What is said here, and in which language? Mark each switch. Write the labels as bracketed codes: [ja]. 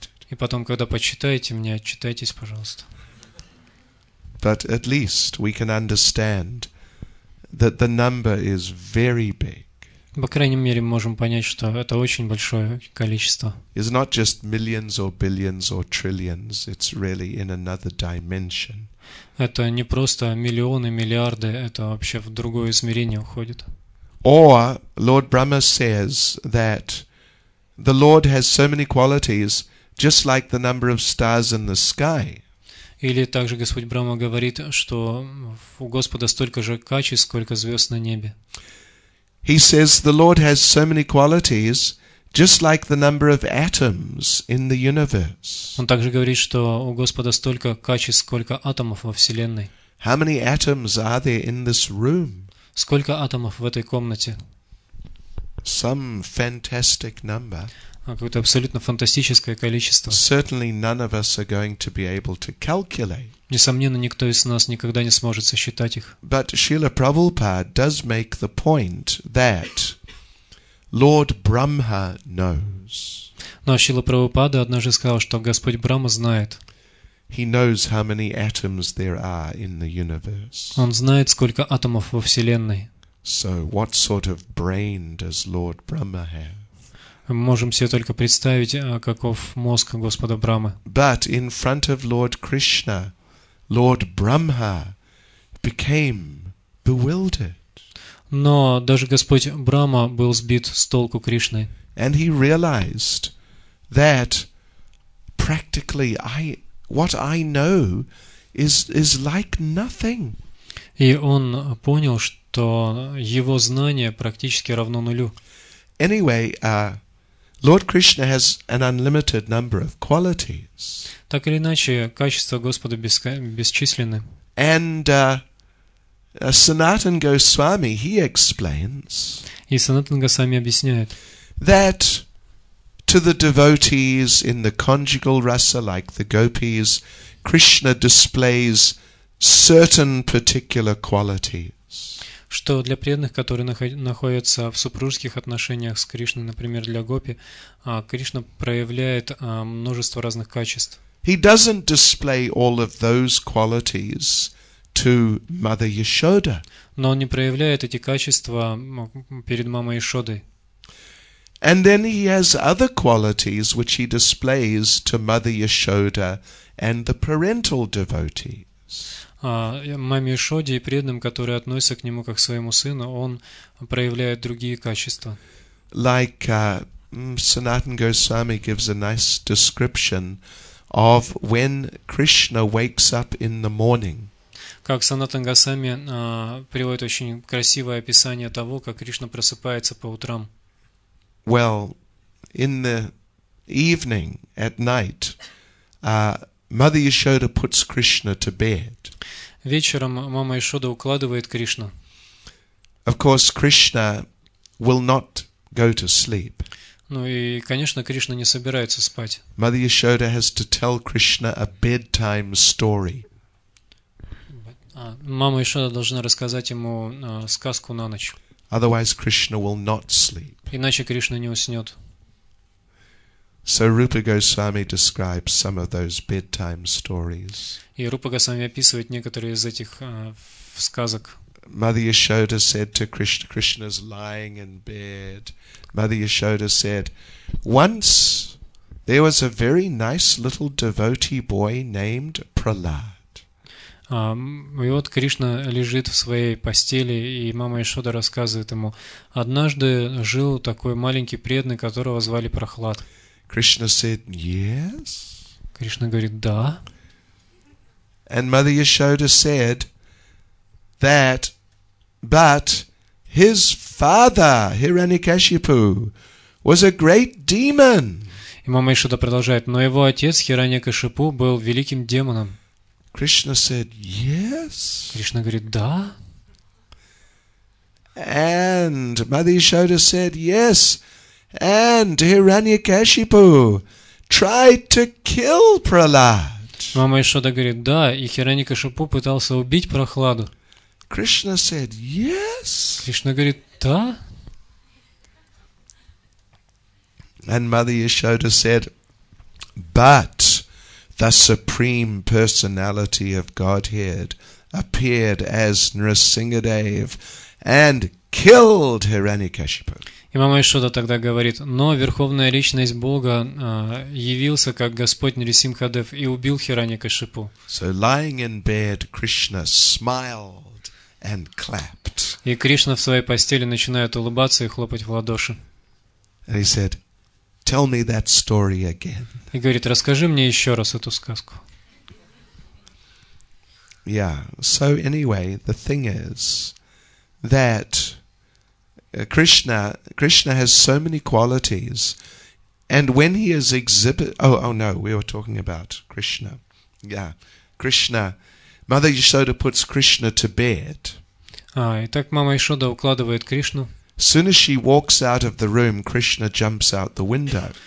[ru] И потом, когда подсчитаете мне, отчитайтесь, пожалуйста. [en] But at least we can understand that the number is very big. [ru] По крайней мере, мы можем понять, что это очень большое количество. [en] It's not just millions or billions or trillions. It's really in another dimension. [ru] Это не просто миллионы, миллиарды. Это вообще в другое измерение уходит. [en] Or Lord Brahma says that the Lord has so many qualities just like the number of stars in the sky. [ru] Или также Господь Брахма говорит, что у Господа столько же качеств, сколько звезд на небе. [en] He says the Lord has so many qualities, just like the number of atoms in the universe. [ru] Он также говорит, что у Господа столько качеств, сколько атомов во вселенной. [en] How many atoms are there in this room? [ru] Сколько атомов в этой комнате? [en] Some fantastic number. [ru] Какое-то абсолютно фантастическое количество. [en] Certainly none of us are going to be able to calculate. [ru] Несомненно, никто из нас никогда не сможет сосчитать их. [en] But Srila Prabhupada does make the point that Lord Brahma knows. [ru] Но Шрила Прабхупада однажды сказал, что Господь Брахма знает. [en] He knows how many atoms there are in the universe. [ru] Он знает, сколько атомов во вселенной. [en] So what sort of brain does Lord Brahma have? [ru] Мы можем себе только представить, каков мозг Господа Брахмы. [en] But in front of Lord Krishna, Lord Brahma became bewildered. [ru] Но даже Господь Брахма был сбит с толку Кришной. [en] And he realized that practically what I know is like nothing. [ru] И он понял, что его знание практически равно нулю. [en] Anyway, Lord Krishna has an unlimited number of qualities. [ru] Так или иначе, качества Господа бесчисленны. [en] And Sanatan Goswami, he explains. [ru] И Санатан Госвами объясняет. [en] That to the devotees in the conjugal rasa, like the gopis, Krishna displays certain particular qualities. [ru] Что для преданных, которые находятся в супружеских отношениях с Кришной, например, для гопи, Кришна проявляет множество разных качеств. [en] He doesn't display all of those qualities to Mother Yashoda. [ru] Но он не проявляет эти качества перед мамой Яшодой. [en] And then he has other qualities which he displays to Mother Yashoda and the parental devotees. [ru] Маме Ишоде и преданным, которые относятся к нему как к своему сыну, он проявляет другие качества. [en] Like Sanatan Goswami gives a nice description of when Krishna wakes up in the morning. [ru] Как Санатан Госвами приводит очень красивое описание того, как Кришна просыпается по утрам. [en] Well, in the evening, at night, Mother Yashoda puts Krishna to bed. [ru] Вечером мама Яшода укладывает Кришну. [en] Of course, Krishna will not go to sleep. [ru] Ну и, конечно, Кришна не собирается спать. [en] Mother Yashoda has to tell Krishna a bedtime story. [ru] Мама Яшода должна рассказать ему сказку на ночь. [en] Otherwise, Krishna will not sleep. [ru] Иначе Кришна не уснет. [en] So Rupa Goswami describes some of those bedtime stories. [ru] И Рупа Госвами описывает некоторые из этих сказок. [en] Mother Yashoda said to Krishna, Krishna's lying in bed. Mother Yashoda said, once there was a very nice little devotee boy named Prahlad. [ru] И вот Кришна лежит в своей постели, и мама Яшода рассказывает ему, однажды жил такой маленький преданный, которого звали Прохлад. [en] Krishna said, yes. [ru] Кришна говорит, да. [en] And Mother Yashoda said that, but his father, Hiranyakashipu, was a great demon. [ru] И мама Яшода продолжает, но его отец, Хираньякашипу, был великим демоном. [en] Krishna said, yes. [ru] Кришна говорит, да. [en] And Mother Yashoda said, yes. And Hiranyakashipu tried to kill Prahlad. [ru] Мама Яшода говорит, да, и Хираньякашипу пытался убить Прохладу. [en] Krishna said, yes. [ru] Кришна говорит, да. [en] And Mother Yashoda said, but the Supreme Personality of Godhead appeared as Nrisingadev and killed Hiranyakashipu. [ru] И мама Яшода тогда говорит, но Верховная Личность Бога явился как Господь Нрисимхадев и убил Хираньякашипу. [en] So lying in bed, Krishna smiled and clapped. [ru] И Кришна в своей постели начинает улыбаться и хлопать в ладоши. [en] And he said, tell me that story again. [ru] И говорит, расскажи мне еще раз эту сказку. [en] Yeah. So anyway, the thing is that Krishna has so many qualities, and when he is we were talking about Krishna. Yeah. Krishna. Mother Yashoda puts Krishna to bed. [ru] И так мама Ишода укладывает Кришну. [en] As soon as she walks out of the room, Krishna jumps out the window.